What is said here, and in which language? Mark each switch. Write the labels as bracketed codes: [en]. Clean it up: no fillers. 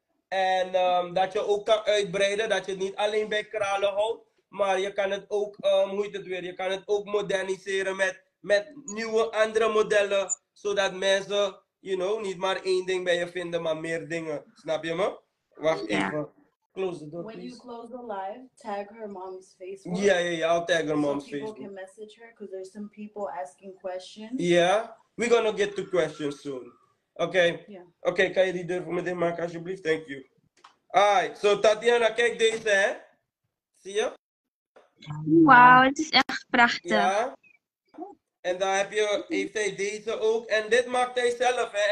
[nl] En dat je ook kan uitbreiden, dat je het niet alleen bij kralen houdt. Maar je kan het ook, hoe heet het weer, je kan het ook moderniseren met nieuwe andere modellen. Zodat mensen, [en] you know, [nl] niet maar één ding bij je vinden, maar meer dingen. Snap je me? Wacht even. [en] Close the door, please. When you close the live, tag her mom's Facebook. Yeah, I'll tag her mom's Facebook. So people Facebook can message her, because there's some people asking questions. Yeah. We're gonna get to questions soon. Okay. Yeah. [nl] Okay, kan je die deur voor me dicht maken alsjeblieft? [en] Thank you. Alright, so [nl] Tatiyana, kijk deze, hè? Zie je? Wow, het is echt prachtig. Ja. En dan heeft hij deze ook. En dit maakt hij zelf, hè?